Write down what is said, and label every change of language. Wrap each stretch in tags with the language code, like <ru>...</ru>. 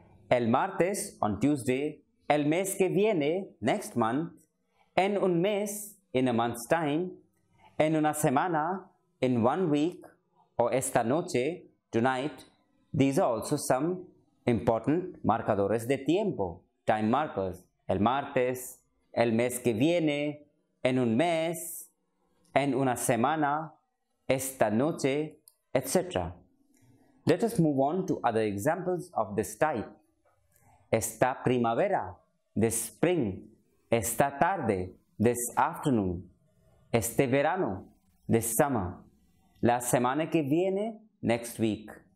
<es>El martes,</es> <en>on Tuesday.</en> <es>El mes que viene,</es> <en>next month.</en> <es>En un mes,</es> <en>in a month's time.</en> <es>En una semana,</es> <en>in 1 week.</en> <es>O esta noche,</es> <en>tonight. These are also some important</en> <es>marcadores de tiempo,</es> <en>time markers.</en> <es>El martes, el mes que viene, en un mes, en una semana, esta noche, etc.</es> <en>Let us move on to other examples of this type.</en> <es>Esta primavera,</es> <en>this spring.</en> <es>Esta tarde,</es> <en>this afternoon.</en> <es>Este verano,</es> <en>this summer.</en> <es>La semana que viene,</es> <en>next week.</en>